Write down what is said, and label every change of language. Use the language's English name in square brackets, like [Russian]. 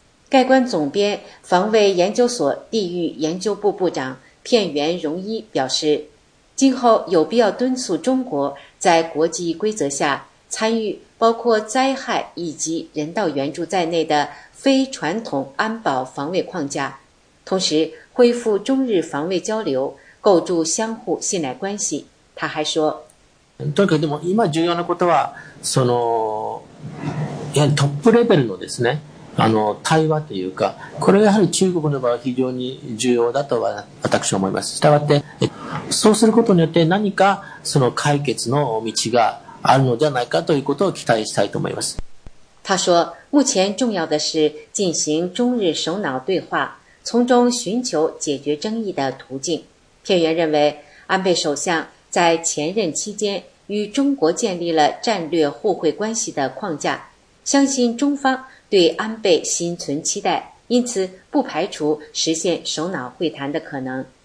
[Chinese] 盖棺总编防卫研究所地域研究部部长片原荣一表示，今后有必要敦促中国在国际规则下参与包括灾害以及人道援助在内的非传统安保防卫框架，同时恢复中日防卫交流，构筑相互信赖关系。他还说， [Japanese] とにかくでも今重要なことは、そのやはりトップレベルのですね、あの対話というか、これがやはり中国の場合は非常に重要だとは私は思います。したがって、そうすることによって何かその解決の道があるのではないかということを期待したいと思います。 [Chinese] 他说，目前重要的是进行中日首脑对话，从中寻求解决争议的途径。片原认为，安倍首相在前任期间与中国建立了战略互惠关系的框架，相信中方对安倍心存期待，因此不排除实现首脑会谈的可能。